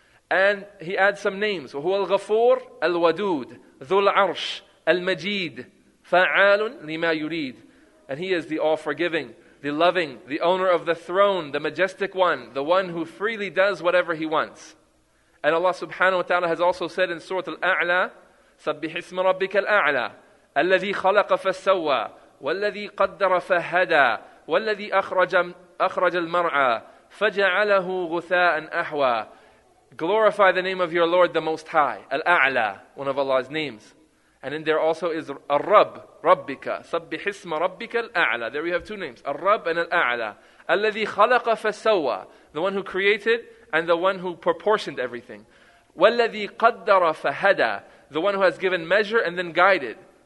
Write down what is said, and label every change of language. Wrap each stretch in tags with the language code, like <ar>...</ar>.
<en>And he adds some names.</en> <ar>وَهُوَ الْغَفُورُ الْوَدُودُ ذُو الْعَرْشِ الْمَجِيدُ فَعَالٌ لِمَا يُرِيدُ.</ar> <en>And He is the all-forgiving, the loving, the owner of the throne, the majestic one, the one who freely does whatever He wants. And Allah subhanahu wa ta'ala has also said in Surah Al-A'la,</en> <ar>سَبِّحِ اسْمَ رَبِّكَ الْأَعْلَى الَّذِي خَلَقَ فَسَوَّى وَالَّذِي قَدَّرَ فَهَدَى وَالَّذِي أَخْرَجَ الْمَرْعَى فَجَعَلَهُ غُثَاءً أَحْوَى.</ar> <en>Glorify the name of your Lord, the Most High, Al-A'la, one of Allah's names. And then there also is al-Rabb, Rabbika.</en> <ar>Sabbih isma Rabbika al-A'la.</ar> <en>There we have two names, al-Rabb and al-A'la.</en> <ar>Alladhi khalaqa fasawwa,</ar> <en>the one who created and the one who proportioned everything.</en> <ar>Walladhi qaddara fahada,</ar> <en>the one who has given measure and then guided.</en>